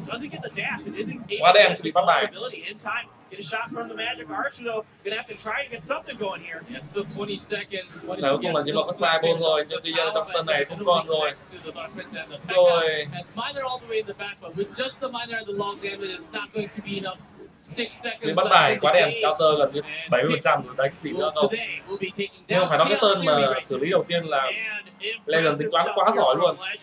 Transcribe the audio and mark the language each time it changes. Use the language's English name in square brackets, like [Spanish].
[English] The bandit's gonna get it. Oh, doesn't get the dash. It isn't able to get a shot from the magic archer though. Gonna have to try and get something going here. Yes, still 20 seconds. [Vietnamese] Thời cuối cùng là chỉ còn có fly ball rồi. Nhưng tuy nhiên trong tuần này cũng còn rồi. Rồi. [English] As miner all the way in the back, but with just the miner and the long gambit, it's not going to be enough. 6 seconds. [Vietnamese] Mình bắt bài quá đẹp. Counter gần như 70% đánh gì nữa không? Nhưng mà phải nói cái tên mà xử lý đầu tiên là Legend tính toán quá giỏi luôn.